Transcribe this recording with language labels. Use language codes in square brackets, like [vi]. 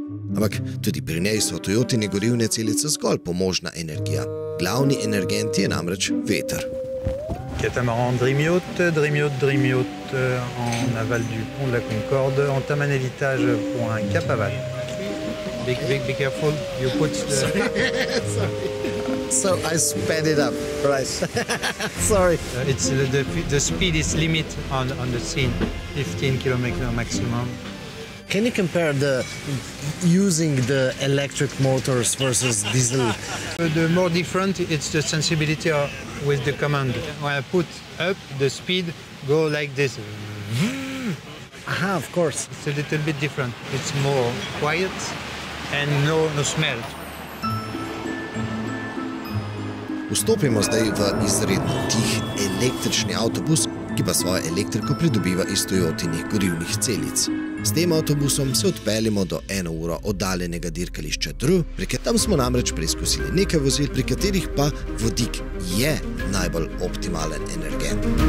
[sl] Ampak tudi pri njej so Toyotine gorivne celice zgolj pomožna energija. Glavni energent je namreč veter. [fr] catamaran Dream Yacht en aval du pont de la Concorde, en entame l'évitage pour un cap aval. [en] Be careful, you put the... Sorry. So I sped it up, right. Sorry. It's the speed is limit on the scene, 15 km maximum. Can you compare the using the electric motors versus diesel? The more different, it's the sensibility with the command. When I put up, the speed go like this. Aha, of course. It's a little bit different. It's more quiet and no smell. [sl] Vstopimo zdaj v izredno tih električni avtobus, ki pa svojo elektriko pridobiva iz Toyotinih gorivnih celic. S tem avtobusom se odpeljimo do 1 uro oddaljenega dirkališča Dru, pri katerem smo namreč preizkusili nekaj vozil, pri katerih pa vodik je najbolj optimalen energent.